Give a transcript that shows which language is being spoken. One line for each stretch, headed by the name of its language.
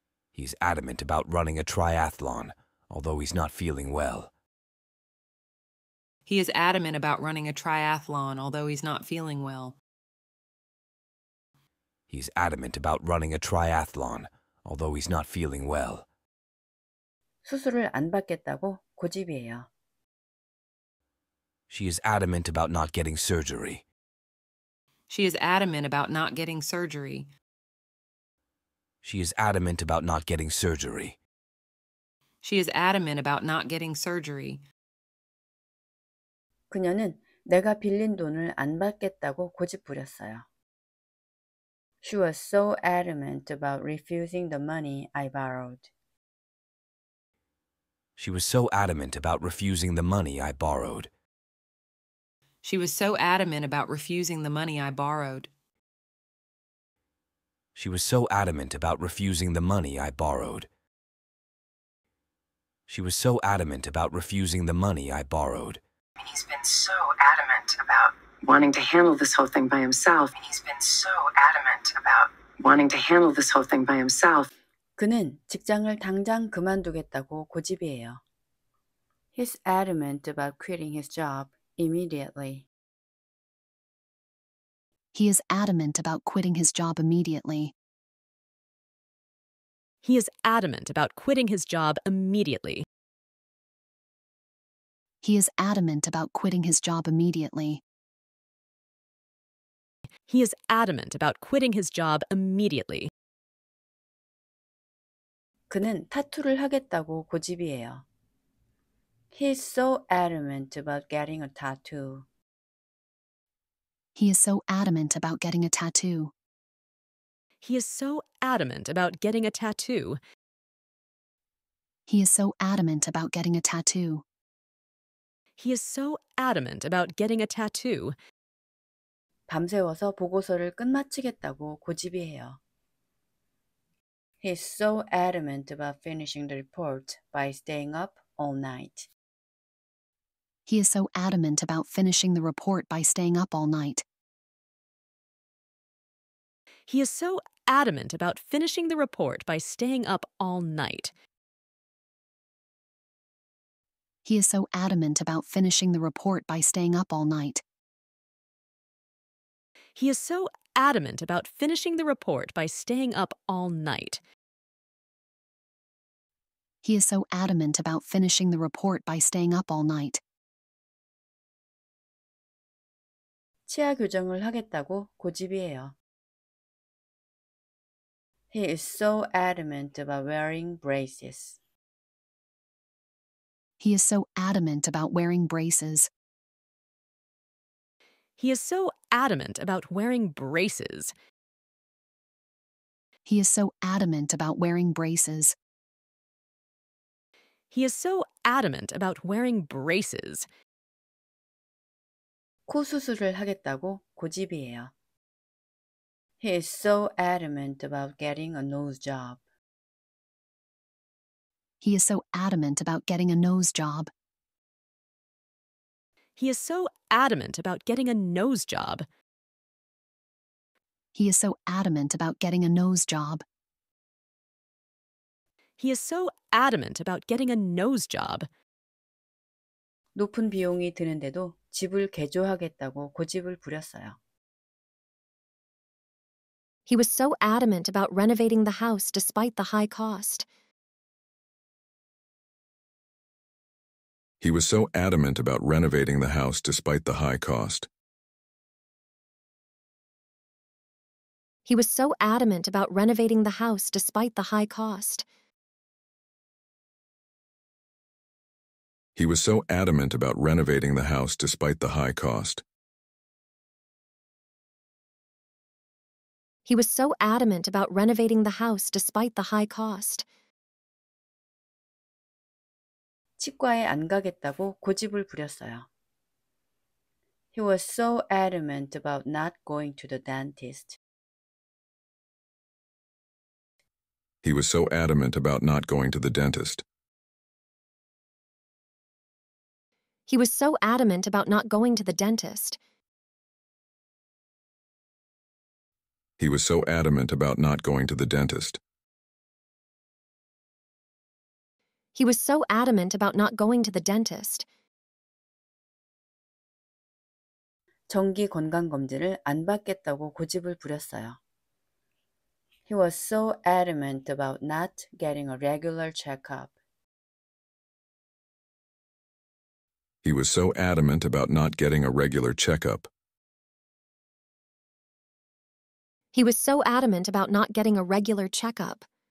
English: He's adamant about running a triathlon, although he's not feeling well. He is adamant about running a triathlon, although he's not feeling well. He's adamant about running a triathlon, although he's not feeling well.
Korean: 수술을 안 받겠다고 고집이에요.
English: She is adamant about not getting surgery. She is adamant about not getting surgery. She is adamant about not getting surgery. She is adamant about not getting surgery.
Korean: 그녀는 내가 빌린 돈을 안 받겠다고 고집부렸어요.
English: She was so adamant about refusing the money I borrowed. She was so adamant about refusing the money I borrowed. She was so adamant about refusing the money I borrowed. She was so adamant about refusing the money I borrowed. She was so adamant about refusing the money I borrowed. He's been so adamant about wanting to handle this whole thing by himself. He's been so adamant about wanting to handle this whole thing by himself.
Korean: 그는 직장을 당장 그만두겠다고 고집이에요.
English: He's adamant about quitting his job. Immediately. He is adamant about quitting his job immediately. He is adamant about quitting his job immediately. He is adamant about quitting his job immediately. He is adamant about quitting his job immediately.
Korean: 그는 타투를 하겠다고 고집이에요.
English: He is so adamant about getting a tattoo. He is so adamant about getting a tattoo. He is so adamant about getting a tattoo. He is so adamant about getting a tattoo. He is so adamant about getting a tattoo.
Korean: 밤새워서 보고서를 끝마치겠다고 고집이에요.
English: He is so adamant about finishing the report by staying up all night. He is so adamant about finishing the report by staying up all night. He is so adamant about finishing the report by staying up all night. He is so adamant about finishing the report by staying up all night. He is so adamant about finishing the report by staying up all night. He is so adamant about finishing the report by staying up all night.
Korean: 치아 교정을 하겠다고 고집이에요.
English: He is so adamant about wearing braces. He is so adamant about wearing braces. He is so adamant about wearing braces. He is so adamant about wearing braces. He is so adamant about wearing braces.
Korean: 코 수술을 하겠다고 고집이에요.
English: He is so adamant about getting a nose job. He is so adamant about getting a nose job. He is so adamant about getting a nose job. He is so adamant about getting a nose job. He is so adamant about getting a nose job.
Korean: 높은 비용이 드는데도 집을 개조하겠다고 고집을 부렸어요.
English: He was so adamant about renovating the house despite the high cost. He was so adamant about renovating the house despite the high cost. He was so adamant about renovating the house despite the high cost. He was so adamant about renovating the house despite the high cost. He was so adamant about renovating the house despite the high cost.
Korean: 치과에 안 가겠다고 고집을 부렸어요.
English: He was so adamant about not going to the dentist. He was so adamant about not going to the dentist. He was so adamant about not going to the dentist. He was so adamant about not going to the dentist. He was so adamant about not going to the dentist.
Korean: 정기 건강검진을 안 받겠다고 고집을 부렸어요.
English: He was so adamant about not getting a regular checkup. He was so adamant about not getting a regular checkup. He was so adamant about not getting a regular checkup.